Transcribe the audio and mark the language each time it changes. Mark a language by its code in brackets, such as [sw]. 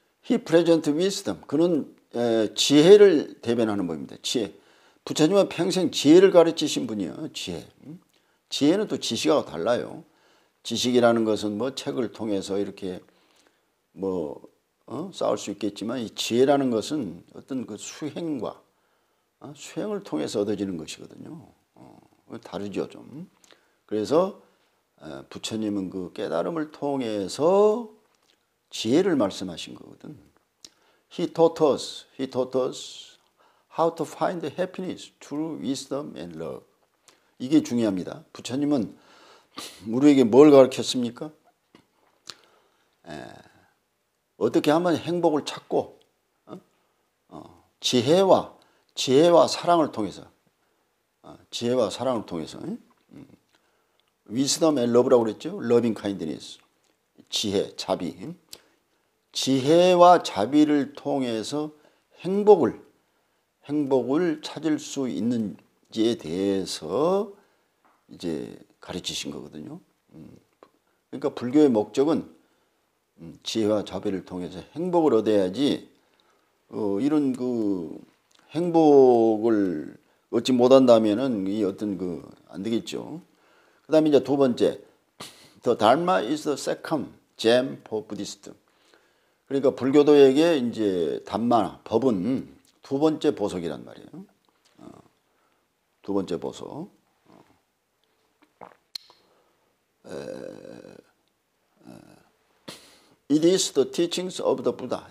[en] He present wisdom [ko] 그는 지혜를 대변하는 분입니다 지혜 부처님은 평생 지혜를 가르치신 분이에요 지혜 지혜는 또 지식하고 달라요 지식이라는 것은 뭐 책을 통해서 이렇게 뭐 쌓을 수 있겠지만 이 지혜라는 것은 어떤 그 수행과 수행을 통해서 얻어지는 것이거든요 다르죠 좀 그래서 부처님은 그 깨달음을 통해서 지혜를 말씀하신 거거든. [en] He taught us how to find happiness, true wisdom and love. [ko] 이게 중요합니다. 부처님은 우리에게 뭘 가르쳤습니까? 어떻게 하면 행복을 찾고 지혜와 사랑을 통해서 지혜와 사랑을 통해서. [en] Wisdom and love라고 그랬죠? Loving kindness. [ko] 지혜, 자비. 지혜와 자비를 통해서 행복을 찾을 수 있는지에 대해서 이제 가르치신 거거든요. 그러니까 불교의 목적은 지혜와 자비를 통해서 행복을 얻어야지, 이런 그 행복을 얻지 못한다면은 이 어떤 그안 되겠죠. 그 다음에 이제 두 번째. [en] The Dharma is the second gem for Buddhist. [ko] 그러니까 불교도에게 이제 담마 법은 두 번째 보석이란 말이에요. 두 번째 보석. [en] It is the teachings of the Buddha.